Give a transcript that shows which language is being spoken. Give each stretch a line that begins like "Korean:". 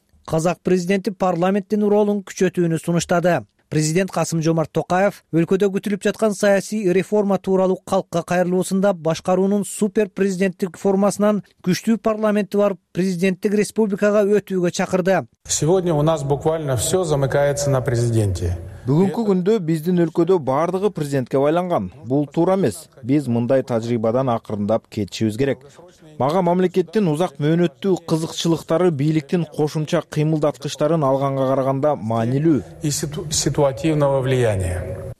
Kyrgyz: Казак президенти парламенттин ролун күчөтүүнү сунуштады. Президент Касым Жомарт Токаев өлкөдө күтүлүп жаткан саясий реформа тууралуу калкка кайрылуусунда башкаруунун супер президенттик формасынан күчтүү парламенти бар президенттик республикага өтүүгө чакырды.
Russian: Сегодня у нас буквально все замыкается на президенте.
Kyrgyz: Бүгүнкү күндө биздин өлкөдө баардыгы президентке байланган. Бул туура эмес. Биз мындай тажрыйбадан акырындап кетишибиз керек. Мага мамлекеттин узак мөөнөттүү кызыкчылыктары бийликтин кошумча кыймылдаткычтарын алганга караганда маанилүү.
Russian: Ситуативного влияния.